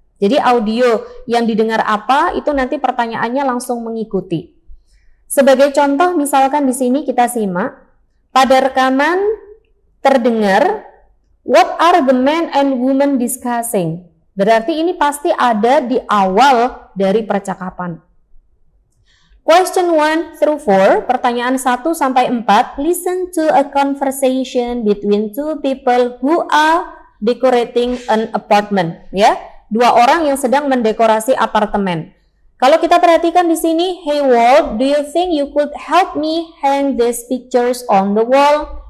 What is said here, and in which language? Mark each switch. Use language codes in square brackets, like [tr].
[id] Jadi audio yang didengar apa, itu nanti pertanyaannya langsung mengikuti. Sebagai contoh, misalkan di sini kita simak. Pada rekaman terdengar, [en] what are the men and women discussing? [id] Berarti ini pasti ada di awal dari percakapan. [en] Question 1-4, [id] pertanyaan 1-4, [en] listen to a conversation between two people who are decorating an apartment. [id] Ya, dua orang yang sedang mendekorasi apartemen. Kalau kita perhatikan di sini, [en] hey Walt, do you think you could help me hang these pictures on the wall?